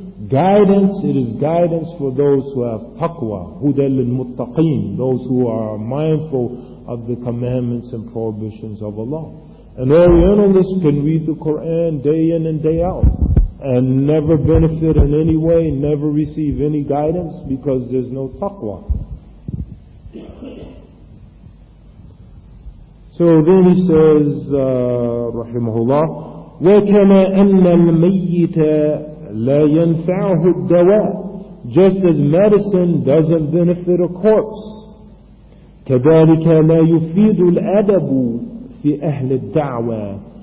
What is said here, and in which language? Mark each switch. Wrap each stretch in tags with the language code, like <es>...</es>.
<en>Guidance, it is guidance for those who have taqwa,</en> <ar>هُدَى لِلْمُتَّقِينَ,</ar> <en>those who are mindful of the commandments and prohibitions of Allah. And Orientalists can read the Qur'an day in and day out and never benefit in any way, never receive any guidance because there's no taqwa. So then he says,</en> <ar>رَحِمَهُ اللَّهُ, وَكَمَا أَنَّ الْمَيِّتَ لَا يَنْفَعُهُ الدَّوَاءُ.</ar> <en>Just as medicine doesn't benefit a corpse,</en> <ar>كَذَلِكَ لَا يُفِيدُ الْأَدَبُ فِي أَهْلِ الدَّعْوَةِ.</ar>